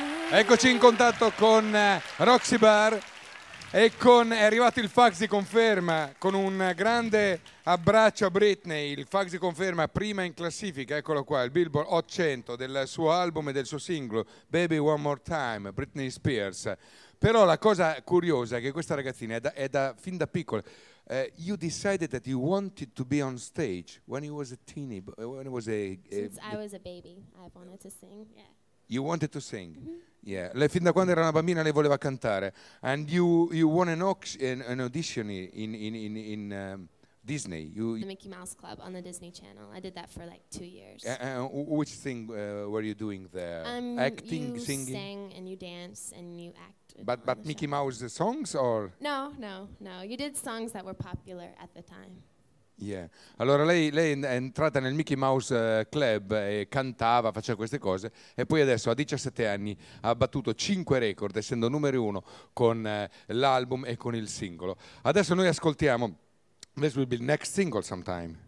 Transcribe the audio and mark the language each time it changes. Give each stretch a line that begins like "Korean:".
Italian: Eccoci in contatto con Roxy Bar e è arrivato il fax di conferma con un grande abbraccio a Britney, il fax di conferma prima in classifica, eccolo qua, il Billboard Hot 100 del suo album e del suo singolo Baby One More Time, Britney Spears. Però la cosa curiosa è che questa ragazzina è fin da piccola.
English: You decided that you wanted to be on stage when you was a teeny, when it was a I was a baby, I wanted to sing, yeah. You wanted to sing? Mm-hmm.
Italian: Yeah, lei fin da quando era una bambina lei voleva cantare.
English: And you won an audition in Disney. The Mickey Mouse Club on the Disney Channel. I did that for like 2 years. Which thing were you doing there? Acting, you singing. You sing and you dance and you act. But Mickey Mouse the songs or? No. You did songs that were popular at the time. Yeah.
Italian: Allora lei è entrata nel Mickey Mouse Club e cantava, faceva queste cose e poi adesso a 17 anni ha battuto 5 record essendo numero 1 con l'album e con il singolo. Adesso noi ascoltiamo,
English: this will be the next single sometime.